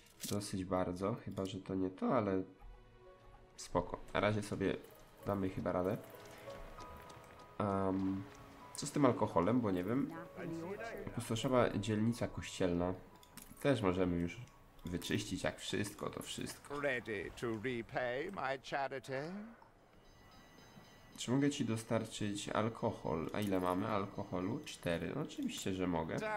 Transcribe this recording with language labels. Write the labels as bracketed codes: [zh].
[pl] Dosyć bardzo, chyba że to nie to, ale spoko. Na razie sobie damy chyba radę. Co z tym alkoholem, bo nie wiem. Pustoszała dzielnica kościelna. Też możemy już wyczyścić jak wszystko, to wszystko. [en] Ready to repay my charity? [pl] Czy mogę ci dostarczyć alkohol? A ile mamy alkoholu? 4. No, oczywiście, że mogę.